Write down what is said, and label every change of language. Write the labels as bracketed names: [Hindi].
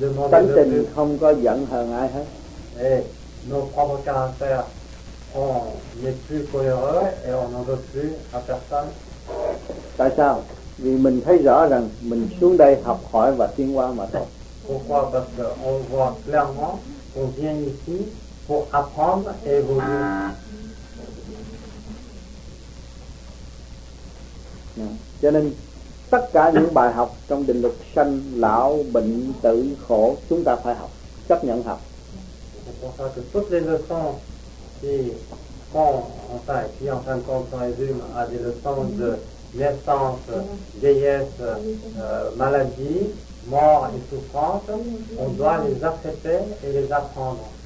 [Vietnamese] Tánh tình không có giận hờn ai hết. [French] Nos propres caractères, on n'est plus cohérent et on n'en veut plus à personne. [Vietnamese] Tại sao? Vì mình thấy rõ rằng mình xuống đây học hỏi và tiến qua mà thôi. [French] Pourquoi? Parce qu'on voit clairement qu'on vient ici pour apprendre et évoluer. [Vietnamese] Cho nên tất cả những bài học trong định luật sanh lão bệnh tử khổ chúng ta phải học, chấp nhận học. [French] Toutes les leçons qui sont en fait, qui en fin de compte sont résumées à des leçons de naissance, vieillesse, maladie, mort et souffrance, on doit les accepter et les apprendre.